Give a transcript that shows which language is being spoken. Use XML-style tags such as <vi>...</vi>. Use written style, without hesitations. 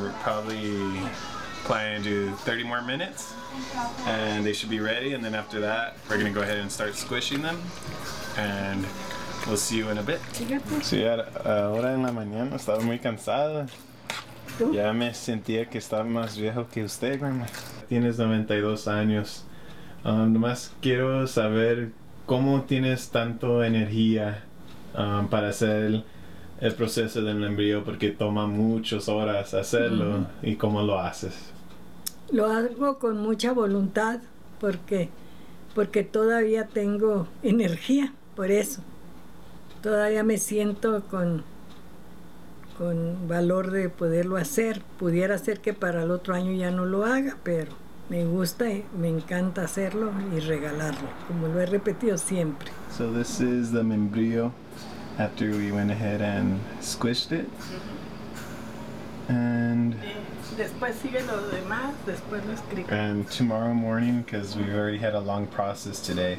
<en>We're probably planning to do 30 more minutes and they should be ready. And then after that, we're gonna go ahead and start squishing them and we'll see you in a bit.</en> <es>Sí, ahora en la mañana estaba muy cansada. Ya me sentía que estaba más viejo que usted, grandma. Tienes 92 años. Nomás quiero saber cómo tienes tanto energía para hacer el proceso del membrillo, porque toma muchas horas hacerlo. Uh-huh. ¿Y cómo lo haces? Lo hago con mucha voluntad, porque todavía tengo energía, por eso. Todavía me siento con valor de poderlo hacer. Pudiera ser que para el otro año ya no lo haga, pero me gusta y me encanta hacerlo y regalarlo, como lo he repetido siempre.</es> <en>So this is the membrillo. After we went ahead and squished it. And</en> <es>Después sigue los demás, después lo escribo.</es> <en>And tomorrow morning, because we've already had a long process today.</en>